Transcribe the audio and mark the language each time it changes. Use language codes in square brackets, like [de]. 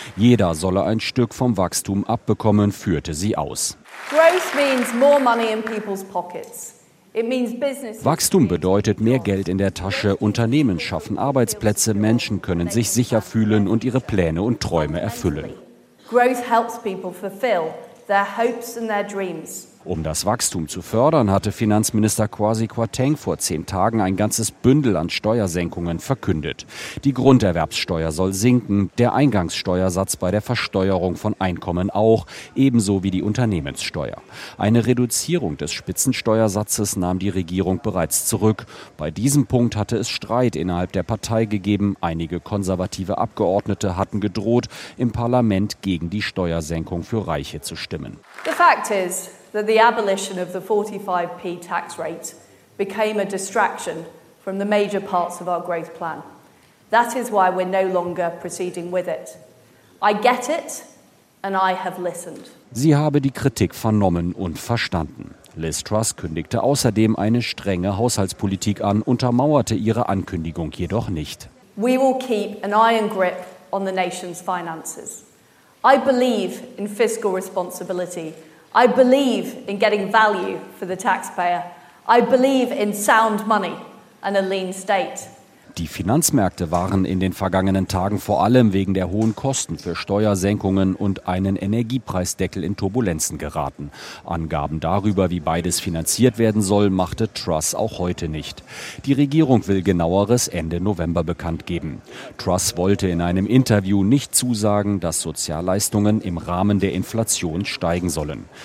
[de] Jeder solle ein Stück vom Wachstum abbekommen, führte sie aus. [en] Growth means more money in people's pockets. [de] Wachstum bedeutet mehr Geld in der Tasche, Unternehmen schaffen Arbeitsplätze, Menschen können sich sicher fühlen und ihre Pläne und Träume erfüllen. [en] Growth helps people fulfill their hopes and their dreams. [de] Um das Wachstum zu fördern, hatte Finanzminister Kwasi Kwarteng vor 10 Tagen ein ganzes Bündel an Steuersenkungen verkündet. Die Grunderwerbssteuer soll sinken, der Eingangssteuersatz bei der Versteuerung von Einkommen auch, ebenso wie die Unternehmenssteuer. Eine Reduzierung des Spitzensteuersatzes nahm die Regierung bereits zurück. Bei diesem Punkt hatte es Streit innerhalb der Partei gegeben. Einige konservative Abgeordnete hatten gedroht, im Parlament gegen die Steuersenkung für Reiche zu stimmen. [en] The fact is that the abolition of the 45p tax rate became a distraction from the major parts of our growth plan. That is why we're no longer proceeding with it. I get it and I have listened. [de] Sie habe die Kritik vernommen und verstanden. Liz Truss kündigte außerdem eine strenge Haushaltspolitik an, untermauerte ihre Ankündigung jedoch nicht. [en] We will keep an iron grip on the nation's finances. I believe in fiscal responsibility. I believe in getting value for the taxpayer. I believe in sound money and a lean state. [de] Die Finanzmärkte waren in den vergangenen Tagen vor allem wegen der hohen Kosten für Steuersenkungen und einen Energiepreisdeckel in Turbulenzen geraten. Angaben darüber, wie beides finanziert werden soll, machte Truss auch heute nicht. Die Regierung will genaueres Ende November bekannt geben. Truss wollte in einem Interview nicht zusagen, dass Sozialleistungen im Rahmen der Inflation steigen sollen.